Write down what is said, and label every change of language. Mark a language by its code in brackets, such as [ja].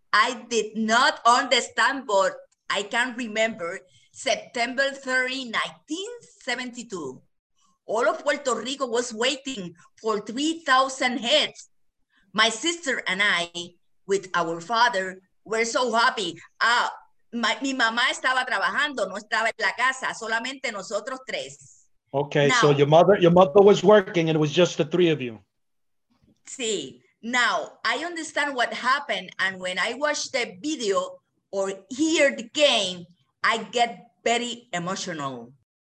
[en] I did not understand, but I can remember September 30, 1972. All of Puerto Rico was waiting for 3,000 heads. My sister and I, with our father, were so happy. [es] Mi mamá estaba trabajando, no estaba en la casa, solamente nosotros tres. [en] Wow. Okay, now, so your mother was working and it was just the three of you. See, now I understand what happened. And when I watch the video or hear the game, I get very emotional.